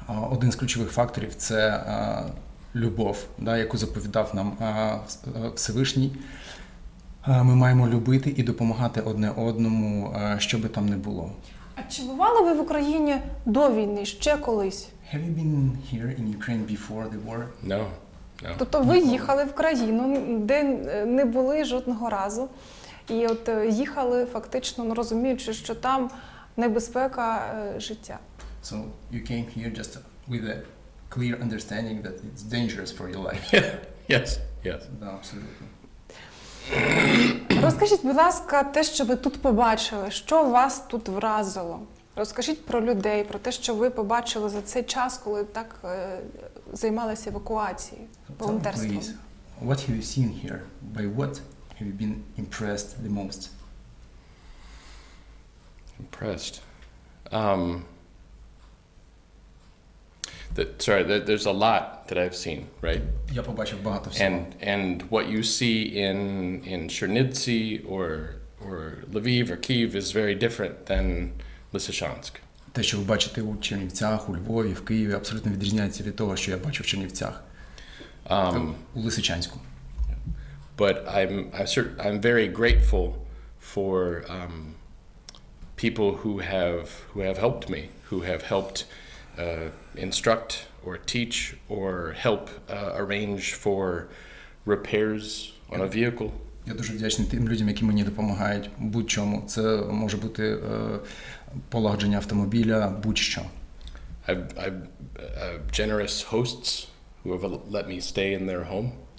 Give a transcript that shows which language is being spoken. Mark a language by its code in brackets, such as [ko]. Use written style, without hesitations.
[uk] Один з ключових факторів – це любов, да, яку заповідав нам Всевишній. Ми маємо любити і допомагати одне одному, що би там не було. А чи бували ви в Україні до війни, ще колись? [en] Have you been here in Ukraine before the war? No. [uk] Тобто ви їхали в країну, де не були жодного разу, і от їхали фактично, ну, розуміючи, що там небезпека життя. [en] So you came here just with a clear understanding that it's dangerous for your life. Yes. Yes. [uk] Да, абсолютно. Розкажіть, будь ласка, те, що ви тут побачили, що вас тут вразило? Розкажіть про людей, про те, що ви побачили за цей час, коли так займалися евакуацією, волонтерством. [en] Please, what have you seen here? By what have you been impressed the most? Impressed. There's a lot that I've seen, right? [uk] Я побачив багато всього. [en] And what you see in Chernivtsi or Lviv or Kyiv is very different than Лисичанськ. [uk] Те, що ви бачите у Чернівцях, у Львові, в Києві, абсолютно відрізняється від того, що я бачу в Чернівцях. У Лисичанську. [en] But I'm very grateful for people who have helped me, who have helped instruct or teach or help arrange for repairs on a vehicle. [uk] Я дуже вдячний тим людям, які мені допомагають будь-чому. Це може бути полагодження автомобіля, будь-що. [en] I've generous hosts who have let me stay in their home.